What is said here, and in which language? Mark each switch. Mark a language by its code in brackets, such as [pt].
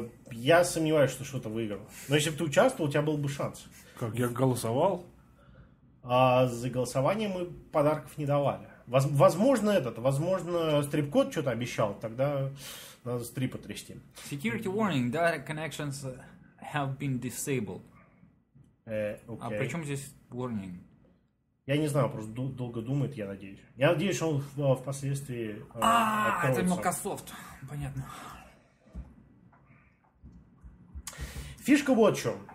[ru] Я сомневаюсь, что что-то выиграл. Но если бы ты участвовал, у тебя был бы шанс. Как, я голосовал? А за голосование мы подарков не давали. Возможно, стрип-код что-то обещал. Тогда надо стрипа трясти. [en] Security warning. Data connections have been disabled. Okay. [ru] А при чем здесь warning? Я не знаю, просто долго думает, я надеюсь. Я надеюсь, что он впоследствии... Это Microsoft. Понятно. Фишка вот в чем.